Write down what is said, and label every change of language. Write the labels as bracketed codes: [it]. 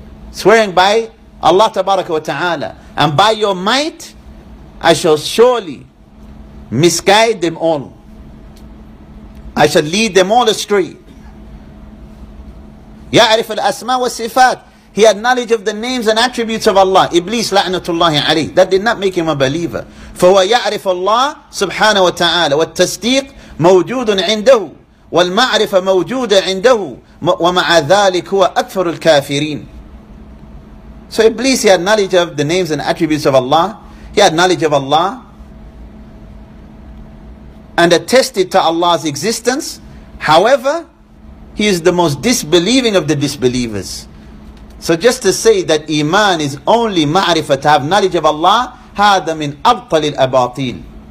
[en] Swearing by Allah tabaraka wa ta'ala. And by your might, I shall surely misguide them all. I shall lead them all astray. [ar] يعرف الأسماء والصفات. [en] He had knowledge of the names and attributes of Allah. Iblis, la'natullahi alayh. That did not make him a believer. [ar] فهو يعرف الله سبحانه وتعالى والتصديق موجود عنده والمعرفة موجودة عنده ومع ذلك هو أكثر الكافرين. [en] So Iblis, he had knowledge of the names and attributes of Allah. He had knowledge of Allah and attested to Allah's existence. However, he is the most disbelieving of the disbelievers. So just to say that Iman is only ma'rifah, to have knowledge of Allah, [ar] هَذَا مِنْ أَبْطَلِ الْأَبَاطِيلِ.